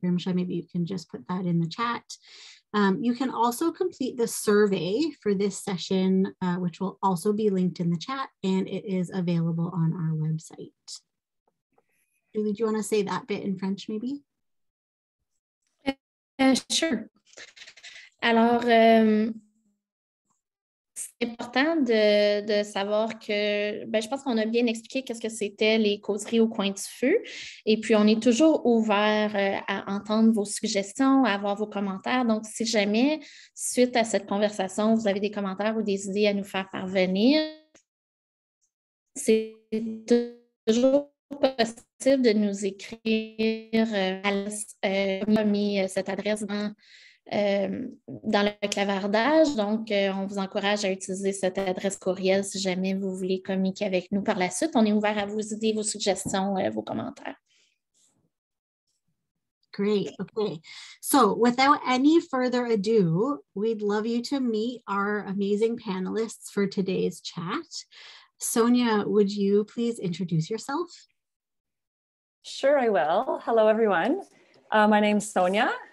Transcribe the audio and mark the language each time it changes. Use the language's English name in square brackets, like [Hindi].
[English] Rimsha, maybe you can just put that in the chat. You can also complete the survey for this session, which will also be linked in the chat, and it is available on our website. Julie, do you want to say that bit in French, maybe? Sure. [French] Alors, c'est important de savoir que, ben, je pense qu'on a bien expliqué qu'est-ce que c'était les causeries au coin du feu. Et puis, on est toujours ouvert à entendre vos suggestions, à avoir vos commentaires. Donc, si jamais, suite à cette conversation, vous avez des commentaires ou des idées à nous faire parvenir, c'est toujours possible de nous écrire. Alice a mis cette adresse dans le clavardage. Donc, on vous encourage à utiliser cette adresse courriel si jamais vous voulez communiquer avec nous par la suite. On est ouvert à vos idées, vos suggestions, vos commentaires. [English] Great. Okay. So without any further ado, we'd love you to meet our amazing panelists for today's chat. Sonja, would you please introduce yourself? Sure, I will. Hello, everyone. My name's Sonja.